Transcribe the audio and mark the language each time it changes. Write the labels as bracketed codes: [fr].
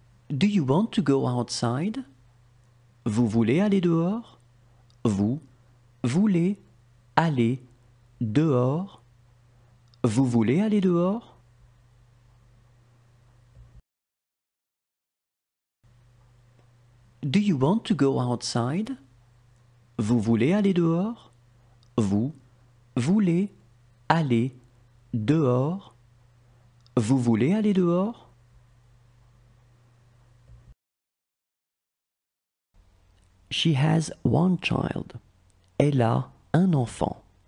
[en] Do you want to go outside? [fr] Vous voulez aller dehors? Vous voulez aller dehors? Vous voulez aller dehors? [en] Do you want to go outside? [fr] Vous voulez aller dehors? Vous voulez aller dehors? Vous voulez aller dehors? [en] She has one child. [fr] Elle a un enfant.